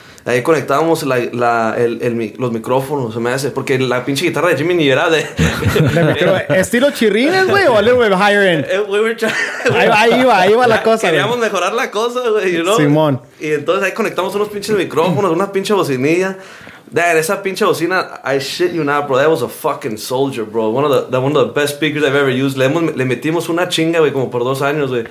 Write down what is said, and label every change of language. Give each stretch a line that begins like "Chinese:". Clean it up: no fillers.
Spanish: Ahí conectábamos los micrófonos, se me hace. Porque la pinche guitarra de Jimmy ni era de... ¿Estilo chirrines, güey, o
English: a little bit higher end?
Spanish: Ahí iba la cosa. Queríamos mejorar la cosa, güey,
English: you know.
Spanish: Simón. Y entonces ahí conectamos unos pinches micrófonos, una pinche bocinilla.
English: Dad,
Spanish: esa pinche bocina,
English: I shit you not, bro. That was a fucking soldier, bro. One of the best speakers I've ever used.
Spanish: Le metimos una chinga, güey, como por 2 años, güey.